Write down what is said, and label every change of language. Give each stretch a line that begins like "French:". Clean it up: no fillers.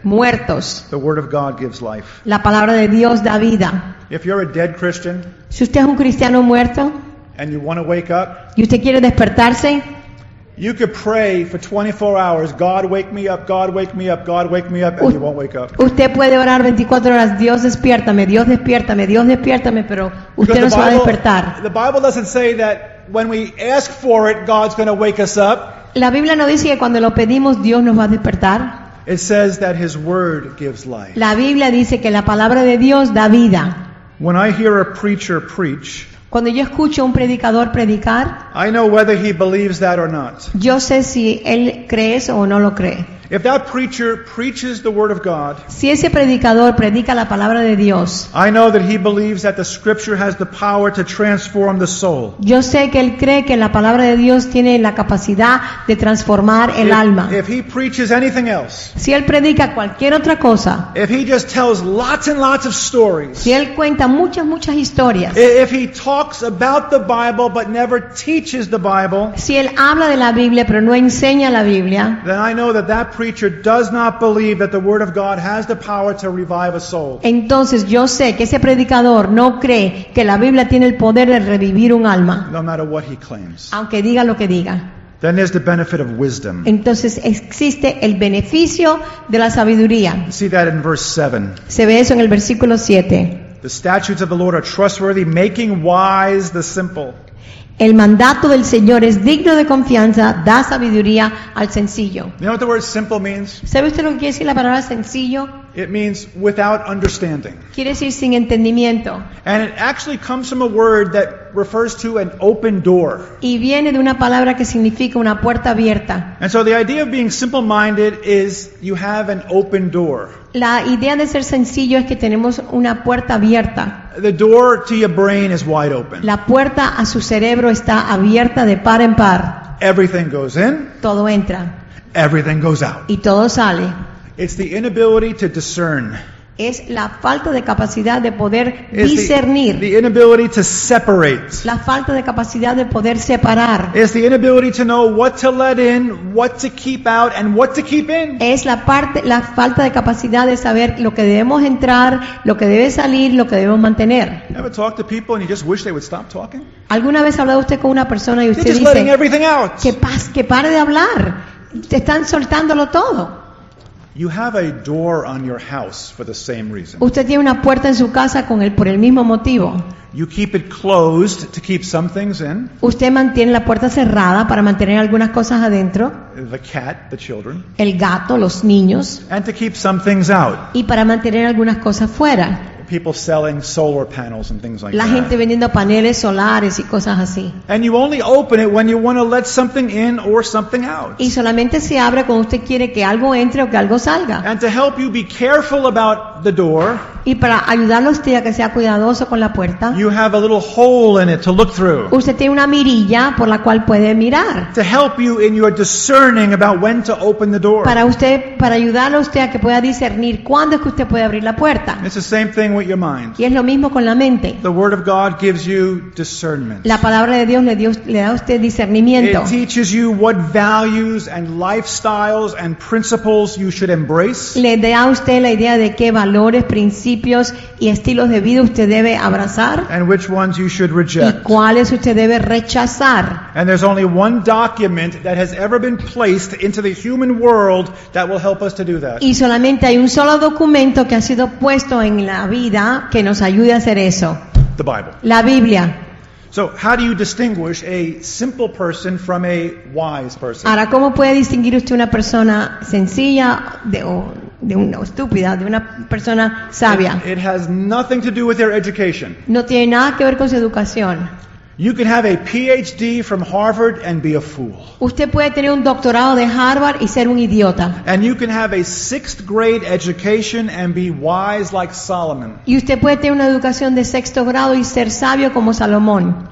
Spanish: Muertos.
English: The word of God gives life.
Spanish: La palabra de Dios da vida.
English: If you're a dead Christian.
Spanish: Si usted es un cristiano muerto.
English: And you want to wake up.
Spanish: Y usted quiere despertarse.
English: You could pray for 24 hours, God wake me up, God wake me up, God wake me up, and you won't wake up.
Spanish: Usted puede orar 24 horas, Dios despiértame, Dios despiértame, Dios despiértame, pero usted no se va a despertar.
English: The Bible doesn't say that when we ask for it, God's going to wake us up.
Spanish: La Biblia no dice que cuando lo pedimos, Dios nos va a despertar.
English: It says that His Word gives life.
Spanish: La Biblia dice que la palabra de Dios da vida.
English: When I hear a preacher preach,
Spanish: cuando yo escucho a un predicador predicar,
English: I know whether he believes that or not.
Spanish: Yo sé si él cree eso o no lo cree.
English: If that preacher preaches the word of God,
Spanish: si ese predicador predica la palabra de Dios,
English: I know that he believes that the scripture has the power to transform the soul.
Spanish: Yo sé que él cree que la palabra de Dios tiene la capacidad de transformar el alma.
English: If he preaches anything else,
Spanish: si él predica cualquier otra cosa,
English: if he just tells lots and lots of stories,
Spanish: si él cuenta muchas, muchas historias,
English: if he talks about the Bible but never teaches the Bible,
Spanish: si él habla de la Biblia pero no enseña la Biblia,
English: then I know that preacher does not believe that the word of God has the power to revive a soul.
Spanish: Entonces yo sé que ese predicador no cree que la Biblia tiene el poder de revivir un alma.
English: No matter what he claims.
Spanish: Aunque diga lo que diga.
English: Then there's the benefit of wisdom.
Spanish: Entonces existe el beneficio de la sabiduría.
English: See that in verse 7.
Spanish: Se ve eso en el versículo 7.
English: The statutes of the Lord are trustworthy, making wise the simple.
Spanish: El mandato del Señor es digno de confianza, da sabiduría al sencillo.
English: You know what the word simple means?
Spanish: ¿Sabe usted lo que quiere decir la palabra sencillo?
English: It means without understanding.
Spanish: Quiere decir sin entendimiento.
English: And it actually comes from a word that refers to an open door.
Spanish: Y viene de una palabra que significa una puerta abierta.
English: And so the idea of being simple-minded is you have an open door.
Spanish: La idea de ser sencillo es que tenemos una puerta abierta.
English: The door to your brain is wide open.
Spanish: La puerta a su cerebro está abierta de par en par.
English: Everything goes in.
Spanish: Todo entra.
English: Everything goes out.
Spanish: Y todo sale.
English: It's the inability to discern.
Spanish: Es la falta de capacidad de poder discernir.
English: The inability to separate.
Spanish: La falta de capacidad de poder separar.
English: It's the inability to know what to let in, what to keep out, and what to keep in.
Spanish: Es la falta de capacidad de saber lo que debemos entrar, lo que debe salir, lo que debemos mantener.
English: Ever talk to people and you just wish they would stop talking?
Spanish: ¿Alguna vez ha hablado usted con una persona y usted
English: dice, everything out.
Spanish: Que pare de hablar? Te están soltándolo todo.
English: You have a door on your house for the same reason.
Spanish: Usted tiene una puerta en su casa con él por el mismo motivo.
English: You keep it closed to keep some things in.
Spanish: Usted mantiene la puerta cerrada para mantener algunas cosas adentro.
English: The cat, the children.
Spanish: El gato, los niños.
English: And to keep some things out.
Spanish: Y para mantener algunas cosas fuera.
English: People selling solar panels and things like
Spanish: that. La gente vendiendo paneles solares y cosas así.
English: And you only open it when you want to let something in or something out.
Spanish: Y solamente se abre cuando usted quiere que algo entre o que algo salga.
English: And to help you be careful about the door.
Spanish: Y para ayudarlo a usted a que sea cuidadoso con la puerta.
English: You have a little hole in it to look through.
Spanish: Usted tiene una mirilla por la cual puede mirar.
English: To help you in your discerning about when to open the door.
Spanish: Para ayudarlo a usted a que pueda discernir cuándo es que usted puede abrir la puerta.
English: It's the same thing with your mind.
Spanish: Y es lo mismo con la mente.
English: The word of God gives you discernment.
Spanish: La palabra de Dios le da a usted discernimiento.
English: It teaches you what values and lifestyles and principles you should embrace.
Spanish: Le da a usted la idea de qué valores, principios y estilos de vida usted debe abrazar.
English: And which ones you should reject.
Spanish: Y cuáles usted debe rechazar.
English: And there's only one document that has ever been placed into the human world that will help us to do that.
Spanish: Y solamente hay un solo documento que ha sido puesto en la vida que nos ayude a hacer eso.
English: The Bible.
Spanish: La Biblia.
English: So, how do you distinguish a simple person from a wise person?
Spanish: Ahora, ¿cómo puede distinguir usted una persona sencilla de una persona sabia?
English: It has nothing to do with their education.
Spanish: No tiene nada que ver con su educación.
English: You can have a PhD from Harvard and be a fool.
Spanish: Usted puede tener un doctorado de Harvard y ser un idiota.
English: And you can have a sixth grade education and be wise like Solomon.
Spanish: Y usted puede tener una educación de sexto grado y ser sabio como Salomón.